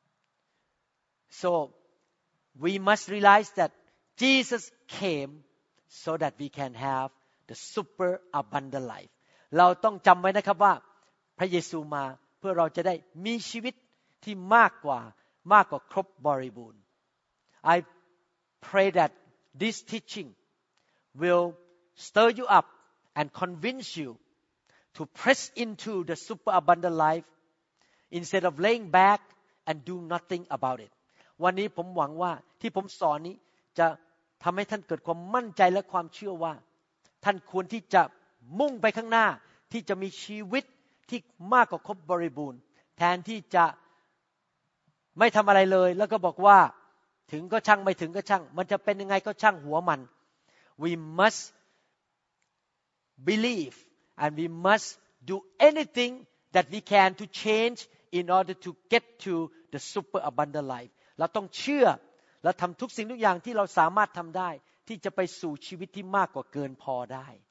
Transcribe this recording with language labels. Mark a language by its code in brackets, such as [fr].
[en] So we must realize that Jesus came so that we can have the super abundant life [th] เราต้องจำไว้นะครับว่าพระเยซูมาเพื่อเราจะได้มีชีวิตที่มากกว่าครบบริบูรณ์ [en] I pray that this teaching will stir you up and convince you to press into the super abundant lifeinstead of laying back and doing nothing about it [th] วันนี้ผมหวังว่าที่ผมสอนนี้จะทำให้ท่านเกิดความมั่นใจและความเชื่อว่าท่านควรที่จะมุ่งไปข้างหน้าที่จะมีชีวิตที่มากกว่าครบบริบูรณ์แ แทนที่จะไม่ทำอะไรเลยแล้วก็บอกว่าถึงก็ช่างไม่ถึงก็ช่างมันจะเป็นยังไงก็ช่างหัวมัน [en] We must believe and we must do anything that we can to change in order to get to the super abundant life [th] เราต้องเชื่อและทำทุกสิ่งทุกอย่างที่เราสามารถทำได้ที่จะไปสู่ชีวิตที่มากกว่าเกินพอได้